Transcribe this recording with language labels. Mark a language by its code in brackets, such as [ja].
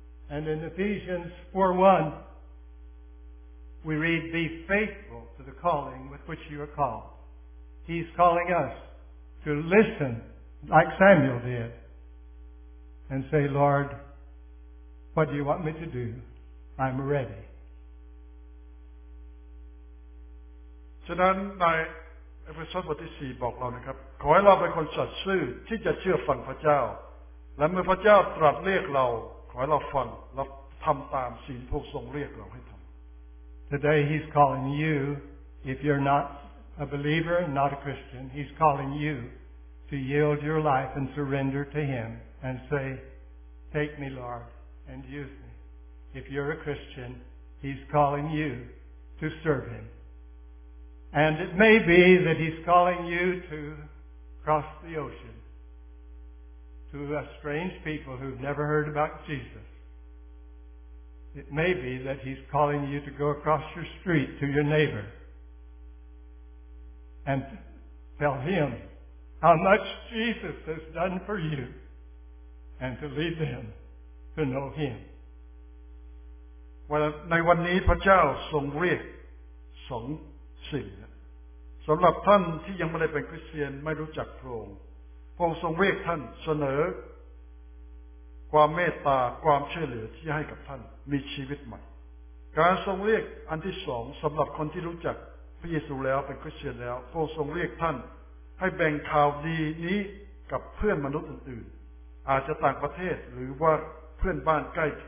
[en] And in Ephesians 4:1, we read, Be faithful to the calling with which you are called. He's calling us to listen like Samuel did. And say, Lord, what do you want me to do? I'm ready. [th] ฉะนั้นในเอเฟซัสบทที่4บอกเรานะครับขอให้เราเป็นคนสัตย์ซื่อที่จะเชื่อฟังพระเจ้าและเมื่อพระเจ้าตรัสเรียกเราขอให้เราฟังและทำตามสิ่งที่ทรงเรียกเราให้ทำ [en] Today he's calling you, if you're not a believer, not a Christian, he's calling you to yield your life and surrender to him. And say, take me, Lord, and use me. If you're a Christian, he's calling you to serve him. And it may be that he's calling you to cross the ocean to a strange people who've never heard about Jesus. It may be that he's calling you to go across your street to your neighbor and tell him how much Jesus has done for you. And to lead them to know Him. [th] Well, ในวันนี้พระเจ้าทรงเรียกสองสิ่งสำหรับท่านที่ยังไม่ได้เป็นคริสเตียนไม่รู้จักพระองค์พระองค์ทรงเรียกท่านเสนอความเมตตาความช่วยเหลือที่ให้กับท่านมีชีวิตใหม่การทรงเรียกอันที่สองสำหรับคนที่รู้จักพระเยซูแล้วเป็นคริสเตียนแล้วพระองค์ทรงเรียกท่านให้แบ่งข่าวดีนี้กับเพื่อนมนุษย์อื่นอาจจะต่างประเทศหรือว่าเพื่อนบ้านใก